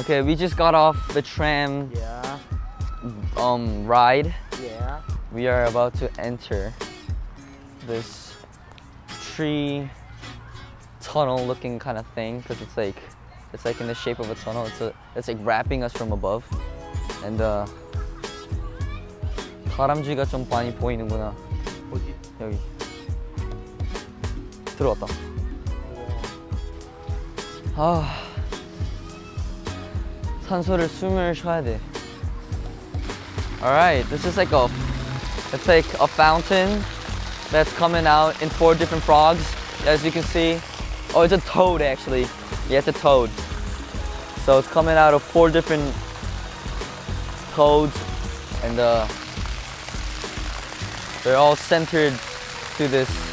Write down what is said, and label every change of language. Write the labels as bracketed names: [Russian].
[English] Okay, we just got off the tram Yeah. Ride. Yeah. We are about to enter this tree tunnel looking kind of thing because it's like in the shape of a tunnel. It's like wrapping us from above. And [Korean] 다람쥐가 좀 많이 보이는구나. 어디? 여기. 들어왔다. 아, 산소를 숨을 쉬어야 돼. [English] Alright, this is like a, it's like a fountain that's coming out in four different frogs. As you can see, oh, it's a toad actually. Yeah, it's a toad. So it's coming out of four different toads, and they're all centered to this.